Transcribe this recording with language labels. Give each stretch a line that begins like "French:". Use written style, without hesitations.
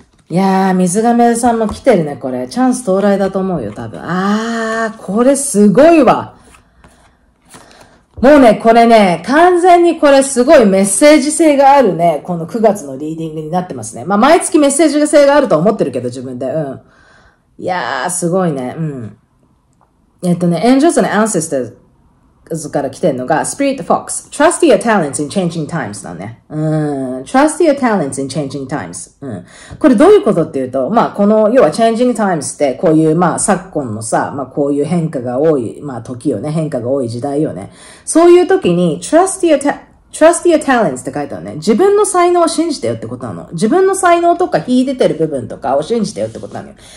Japanese: いやー、水瓶座さんも来てるね、これ。チャンス到来だと思うよ、多分。あー、これすごいわ。もうね、これね、完全にこれすごいメッセージ性があるね、この9月のリーディングになってますね。まあ、毎月メッセージ性があると思ってるけど、自分で、うん。いやー、すごいね、うん。
English: Angels and Ancestors
Japanese: から来てるのが、
English: Spirit Fox, Trust your talents in changing times
Japanese: だね。
English: Trust your talents in changing times。
Japanese: うん。これどういうことっていうと、まあ、この、要は
English: changing times
Japanese: って、こういう、まあ、昨今のさ、まあ、こういう変化が多い、まあ、時よね、変化が多い時代よね。そういう時に、
English: trust your talents
Japanese: って書いてあるね。自分の才能を信じてよってことなの。自分の才能とか、引い出てる部分とかを信じてよってことなのよ。